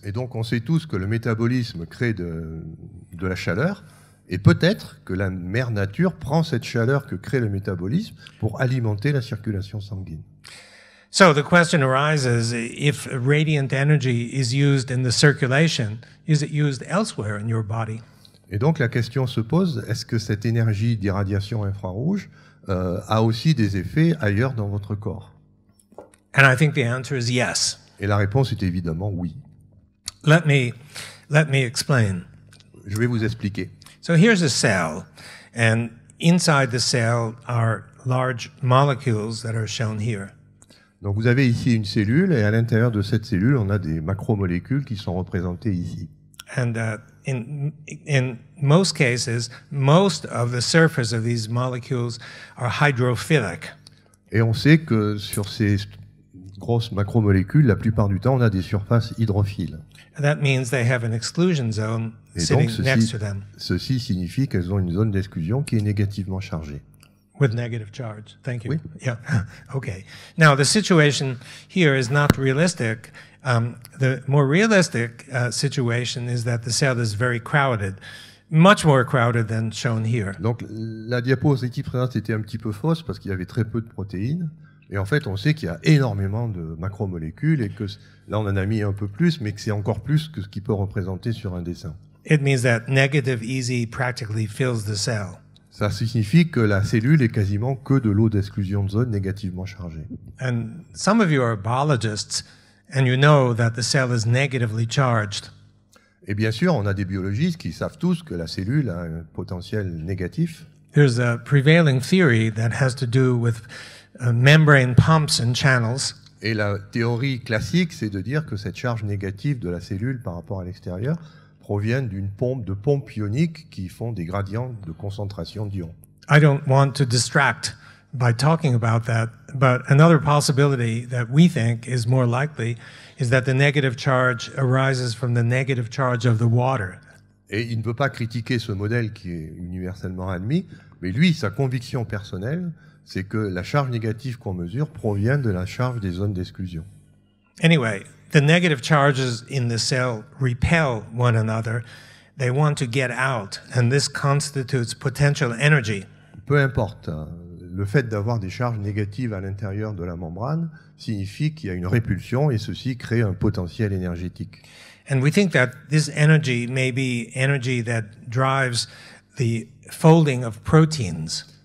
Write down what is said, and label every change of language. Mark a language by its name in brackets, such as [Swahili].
[French] Et donc on sait tous que le métabolisme crée de la chaleur et peut-être que la mère nature prend cette chaleur que crée le métabolisme pour alimenter la circulation sanguine. [English] So the question arises, if radiant energy is used in the circulation, is it used elsewhere in your body? [French] Et donc la question se pose, est-ce que cette énergie d'irradiation infrarouge a aussi des effets ailleurs dans votre corps? [English] And I think the answer is yes. [French] Et la réponse est évidemment oui. [English] Let me explain. [French] Je vais vous expliquer. [English] So here's a cell, and inside the cell are large molecules that are shown here. [French] Donc vous avez ici une cellule, et à l'intérieur de cette cellule, on a des macromolécules qui sont représentées ici. [English] And in most cases, most of the surface of these molecules are hydrophilic. [French] Et on sait que sur ces grosses macromolécules, la plupart du temps, on a des surfaces hydrophiles. [English] And that means they have an exclusion zone sitting next to them. [French] Ceci signifie qu'elles ont une zone d'exclusion qui est négativement chargée. [English] With negative charge. Thank you. Oui. Yeah. Okay. Now, the situation here is not realistic. The more realistic situation is that the cell is very crowded, much more crowded than shown here. [French] Donc, la diapositive présente était un petit peu fausse parce qu'il y avait très peu de protéines. Et en fait, on sait qu'il y a énormément de macromolécules et que là, on en a mis un peu plus, mais que c'est encore plus que ce qu'il peut représenter sur un dessin. [English] It means that negative easy practically fills the cell. [French] Ça signifie que la cellule est quasiment que de l'eau d'exclusion de zone négativement chargée. [English] And some of you are biologists and you know that the cell is negatively charged. [French] Et bien sûr, on a des biologistes qui savent tous que la cellule a un potentiel négatif. [English] There's a prevailing theory that has to do with membrane pumps and channels. [French] Et la théorie classique, c'est de dire que cette charge négative de la cellule par rapport à l'extérieur proviennent d'une pompe de pompes ioniques qui font des gradients de concentration d'ions. [English] I don't want to distract by talking about that, but another possibility that we think is more likely is that the negative charge arises from the negative charge of the water. [French] Et il ne peut pas critiquer ce modèle qui est universellement admis, mais lui, sa conviction personnelle, c'est que la charge négative qu'on mesure provient de la charge des zones d'exclusion. [English] Anyway, the negative charges in the cell repel one another. They want to get out, and this constitutes potential energy. [French] Peu importe, le fait d'avoir des charges négatives à l'intérieur de la membrane signifie qu'il y a une répulsion, et ceci crée un potentiel énergétique. [English] And we think that this energy may be energy that drives the folding of proteins.